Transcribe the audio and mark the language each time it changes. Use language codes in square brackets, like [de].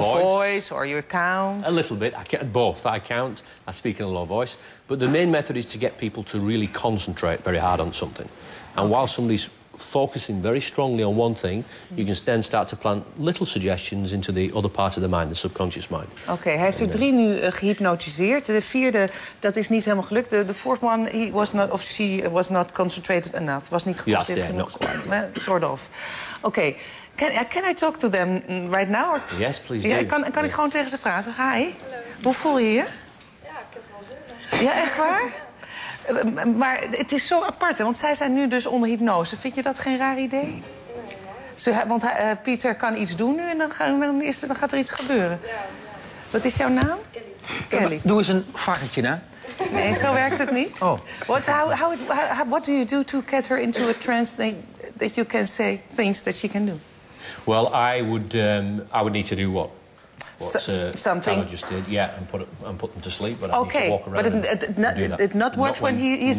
[en] voice, or you count? A little bit. I count. I speak in a low voice. But the main method is to get people to really concentrate very hard on something. And while somebody's focusing very strongly on one thing, you can then start to plant little suggestions into the other part of the mind, the subconscious mind. [nl] Okay, hij heeft er drie nu gehypnotiseerd. De vierde, dat is niet helemaal gelukt. [en] De fourth one, he was not, of she was not concentrated enough. [nl] Was niet geconcentreerd [en] genoeg. Not quite. Sort of. Okay, can I talk to them right now? Or? Yes, please do. [nl] Ja, kan ik gewoon tegen ze praten? [en] Hi. Hello. [nl] Hoe voel je je? Ja, ik heb wel zin. Ja, echt waar? Maar het is zo apart, hè? Want zij zijn nu dus onder hypnose. Vind je dat geen raar idee? Nee, nee. Want Pieter kan iets doen nu en dan gaat er iets gebeuren. Ja. Wat is jouw naam? Kelly. Kelly. Doe eens een varretje, hè? Nee, zo werkt het niet. Oh. [en] What do you do to get her into a trance that you can say things that she can do? Well, I would need to do what? Something. Kind of just did, yeah, and put them to sleep. But okay. I need to walk around. But it not work when he's